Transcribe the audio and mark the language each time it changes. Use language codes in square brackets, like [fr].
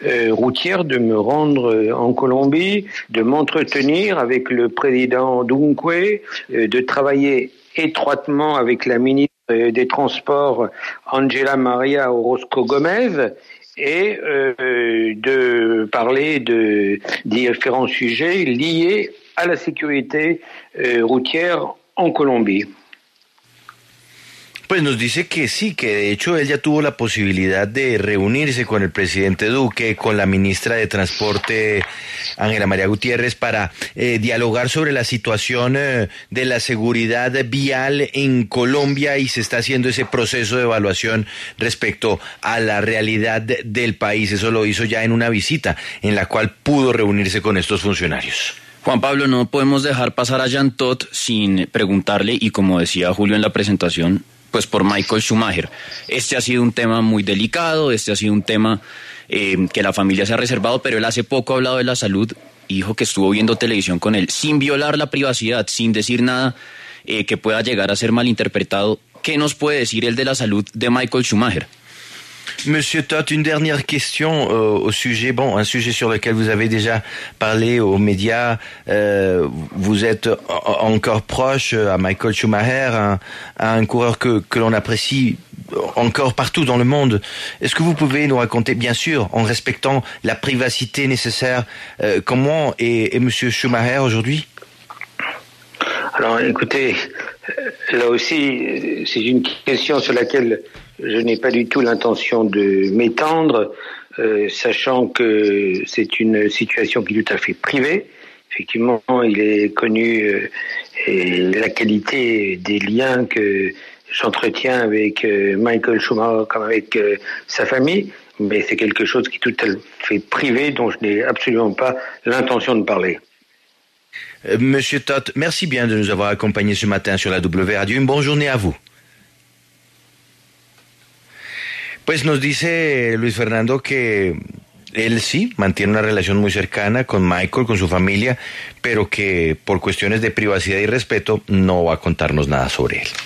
[fr] routière de me rendre en Colombie, de m'entretenir avec le président Duque, de travailler étroitement avec la ministre des Transports Angela Maria Orozco Gomez, et de parler de différents sujets liés à la sécurité routière en Colombie. [es] Pues nos dice que sí, que de hecho él ya tuvo la posibilidad de reunirse con el presidente Duque, con la ministra de Transporte, Ángela María Gutiérrez, para dialogar sobre la situación de la seguridad vial en Colombia, y se está haciendo ese proceso de evaluación respecto a la realidad del país. Eso lo hizo ya en una visita en la cual pudo reunirse con estos funcionarios. Juan Pablo, no podemos dejar pasar a Jean Todt sin preguntarle, y como decía Julio en la presentación, pues por Michael Schumacher. Este ha sido un tema muy delicado, este ha sido un tema que la familia se ha reservado, pero él hace poco ha hablado de la salud, dijo que estuvo viendo televisión con él, sin violar la privacidad, sin decir nada que pueda llegar a ser malinterpretado. ¿Qué nos puede decir él de la salud de Michael Schumacher? [fr] Monsieur Todt, une dernière question au sujet, un sujet sur lequel vous avez déjà parlé aux médias. Vous êtes encore proche à Michael Schumacher, un coureur que l'on apprécie encore partout dans le monde. Est-ce que vous pouvez nous raconter, bien sûr, en respectant la privacité nécessaire, comment est Monsieur Schumacher aujourd'hui? Alors, écoutez, là aussi, c'est une question sur laquelle je n'ai pas du tout l'intention de m'étendre, sachant que c'est une situation qui est tout à fait privée. Effectivement, il est connu la qualité des liens que j'entretiens avec Michael Schumacher comme avec sa famille, mais c'est quelque chose qui est tout à fait privé, dont je n'ai absolument pas l'intention de parler. Monsieur Todt, merci bien de nous avoir accompagnés ce matin sur la W Radio. Une bonne journée à vous. [es] Pues nos dice Luis Fernando que él sí mantiene una relación muy cercana con Michael, con su familia, pero que por cuestiones de privacidad y respeto no va a contarnos nada sobre él.